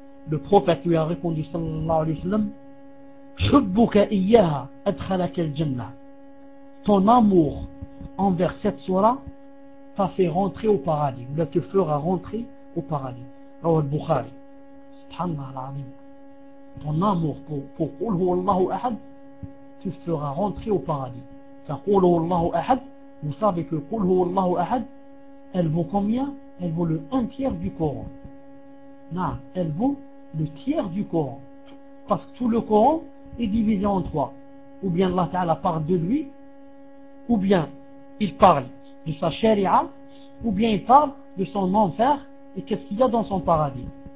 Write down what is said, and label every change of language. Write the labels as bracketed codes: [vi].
[fr] Le prophète lui a répondu, sallallahu alayhi wa sallam, [ar] حُبُّكَ إِيَّهَا أَدْخَلَكَ الْجَنَّةِ, [fr] ton amour envers cette surah t'a fait rentrer au paradis, ou te fera rentrer au paradis. [ar] Rawa al-Bukhari, [fr] subhanallah al-Azim, ton amour pour [ar] قُلْ هُوَ اللَّهُ أَحَدْ [fr] tu feras rentrer au paradis. Enfin, [ar] قُلْ هُوَ اللَّهُ أَحَدْ, [fr] vous savez que قُلْ هُوَ اللَّهُ أَحَدْ, elle vaut combien? Elle vaut le un tiers du Coran. Non, elle vaut le tiers du Coran. Parce que tout le Coran est divisé en trois. Ou bien Allah Ta'ala parle de lui, ou bien il parle de sa sharia, ou bien il parle de son enfer et qu'est-ce qu'il y a dans son paradis.